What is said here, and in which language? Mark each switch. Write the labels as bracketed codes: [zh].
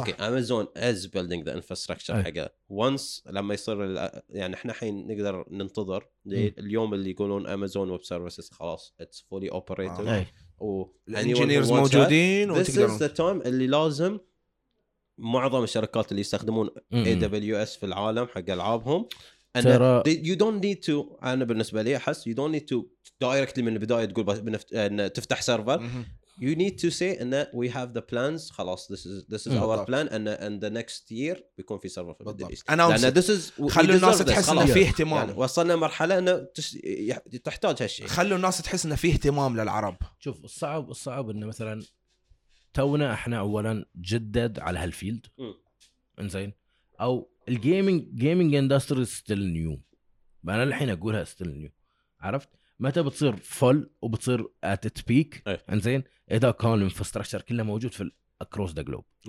[en] okay Amazon is building the infrastructure [ar] حقه وانس لما يصير يعني احنا الحين نقدر ننتظر اليوم اللي يقولون امازون ويب سيرفيسز خلاص [en] it's fully operated [ar] الانجينيرز موجودين وتقدرون ذا تايم اللي لازم معظم الشركات اللي يستخدمون AWS في العالم حق العابهم ان ترى... [en] you don't need to [ar] انا بالنسبه لي احس [en] you don't need to directly [ar] من البدايه تقول تفتح سيرفر [en] you need to say ان we have the plans خلاص this is our plan ان in the next year بيكون في server في [ar] الدول [en] لان this is [ar] خلوا الناس تحس ان في اهتمام يعني وصلنا مرحله ان تحتاج هالشيء خلوا الناس تحس ان في اهتمام للعرب. شوف الصعب ان مثلا تونا احنا اولا جدد على هالفيلد انزين او [en] الجيمينج industry still new [ar] انا الحين اقولها [en] still new [ar] عرفت متى بتصير فل وبتصير ات ات بيك انزين اذا كان الانفراستراكشر كله موجود في الاكروس ذا جلوب.